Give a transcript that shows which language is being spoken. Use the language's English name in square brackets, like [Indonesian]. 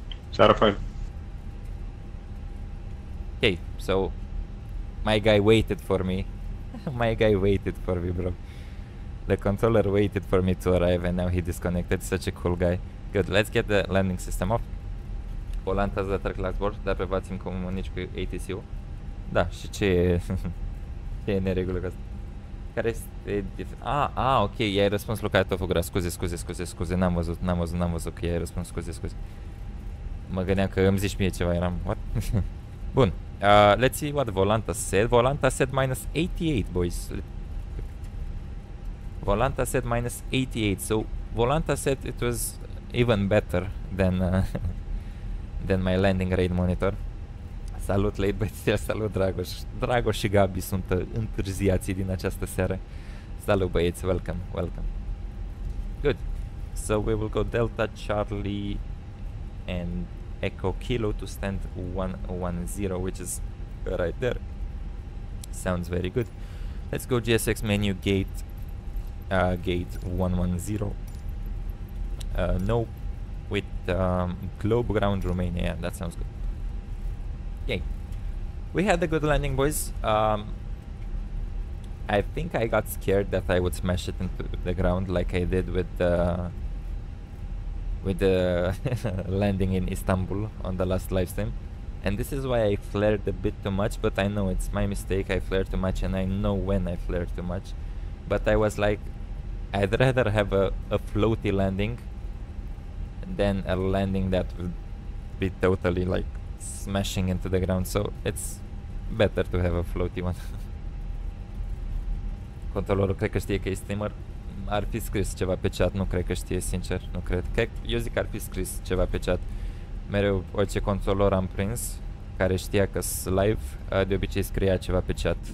[Romanian] Seara fine. [English] Okay, so my guy waited for me. My guy waited for me, bro. The controller waited for me to arrive and now he disconnected. Such a cool guy. Good, let's get the landing system off. [Romanian] Volanta îți dă track la zbor, dar pe VATSIM comunici cu ATC-ul. Da, și ce e... ce e neregulă cu asta? Care este... ok, i-ai răspuns lui Catofugra, scuze, n-am văzut că i-ai răspuns, scuze. Mă gândeam că îmi zici mie ceva, eram... [English] What? [Romanian] Bun, [English] let's see what Volanta said. Volanta said minus 88, boys. Volanta said minus 88, so Volanta said it was even better than than my landing rate monitor. [Romanian] Salut, late băieții, salut, Dragoș. Dragoș și Gabi sunt întârziații din această seară. Salut, băieți, [English] welcome. Good. So we will go Delta, Charlie and Echo Kilo to stand 110, which is right there. Sounds very good. Let's go GSX menu gate. Gate 110. No, with Globe Ground Romania. Yeah, that sounds good. Yay. We had a good landing, boys. I think I got scared that I would smash it into the ground like I did with the landing in Istanbul on the last livestream. And this is why I flared a bit too much, but I know it's my mistake. I flared too much and I know when I flared too much. But I was like, I'd rather have a floaty landing than a landing that would be totally like smashing into the ground, so it's better to have a floaty one. [Romanian] Controlorul cred că știe că e streamer. Ar fi scris ceva pe chat, nu cred că știe, sincer, nu cred. Eu zic că ar fi scris ceva pe chat. Mereu orice controlor am prins care știa că s live, de obicei scria ceva pe chat.